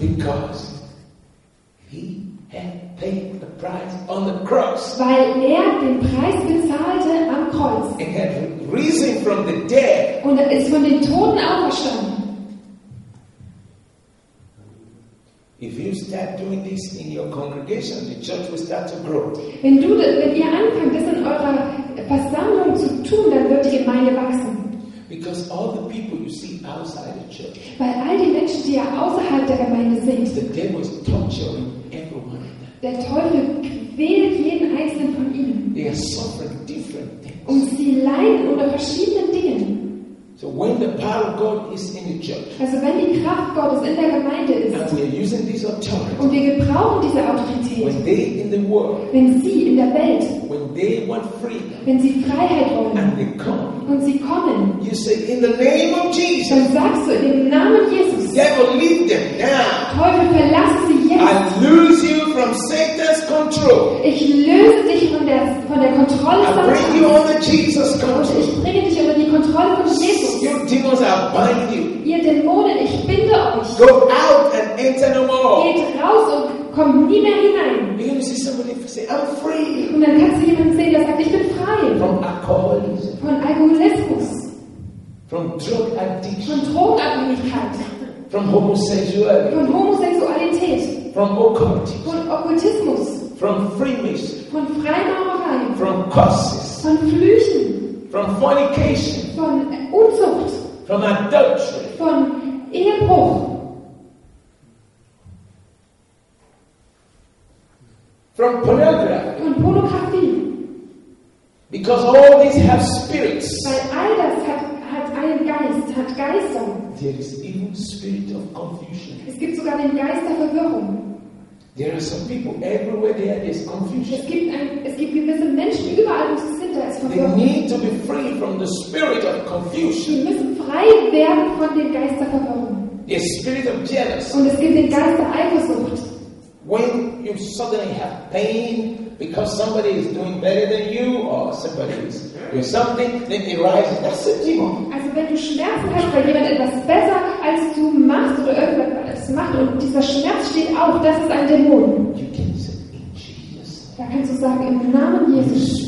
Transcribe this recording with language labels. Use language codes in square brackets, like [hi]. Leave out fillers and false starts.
[en] Because he had paid the price on the cross. [de] Weil er den Preis bezahlte am Kreuz. [en] And had risen from the dead. [de] Und er ist von den Toten auferstanden. [en] If you start doing this in your congregation, the church will start to grow. [de] Wenn ihr anfangt, das in eurer Versammlung zu tun, dann wird die Gemeinde wachsen. [en] Because all the people you see outside the church. [de] Weil all die Menschen, die ja außerhalb der Gemeinde sind. [en] The devil is torturing everyone. [de] Der Teufel quält jeden einzelnen von ihnen. [en] They are suffering different things. [de] Und sie leiden unter verschiedenen Dingen. [en] So when the power of God is in the church. [de] Also wenn die Kraft Gottes in der Gemeinde ist. [en] And we are using this authority. [de] Und wir gebrauchen diese Autorität. [en] When they in the world. [de] Wenn sie in der Welt. [en] When they want freedom. [de] Wenn sie Freiheit wollen. [en] And they come. [de] Und sie kommen. [en] You say in the name of Jesus. [de] Dann sagst du im Namen Jesus. [en] Devil, leave them now. [de] Teufel, verlass sie jetzt. [en] I lose you from Satan's control. [de] Ich löse dich von der Kontrolle von [en] Satan. I bring you under Jesus' control. [de] Ich bringe dich unter die Kontrolle von Jesus. [en] You demons, I bind you. [de] Ihr Dämonen, ich binde euch. [en] Go out and enter no more. [de] Geht raus und kommt nie mehr hinein. [en] You can see somebody say, I'm free. [de] Und dann kannst du jemanden sehen, der sagt, ich bin frei. [en] From alcoholism. [de] Von Alkoholismus. [en] From drug addiction. [de] Von Drogenabhängigkeit. [en] From homosexuality. [de] Von Homosexualität. [en] From occultism. [de] Von Okkultismus. [en] From freemasonry. [de] Von Freimaurerei. [en] From curses. [de] Von Flüchen. [en] From fornication. [de] Von Unzucht. [en] From adultery. [de] Von Ehebruch. [en] From pornography. [de] Von Pornografie. [en] Because all these have spirits. [de] Weil all das hat einen Geist, hat Geister. [en] There is even spirit of confusion. [de] Es gibt sogar den Geist der Verwirrung. [en] There are some people everywhere there is confusion. [de] Es gibt gewisse Menschen überall, wo sie sind, da ist Verwirrung. [en] They need to be free from the spirit of confusion. [de] Sie müssen frei werden von dem Geist der Verwirrung. [en] The spirit of jealousy. [de] Und es gibt den Geist der Eifersucht. [en] When you suddenly have pain because somebody is doing better than you or somebody is doing something, then it rises. That's a demon. [de] Also wenn du Schmerzen hast, weil jemand etwas besser als du machst oder irgendwas macht und dieser Schmerz steht auf, das ist ein Dämon. [en] You can say, in Jesus. [de] Da kannst du sagen, im Namen Jesus.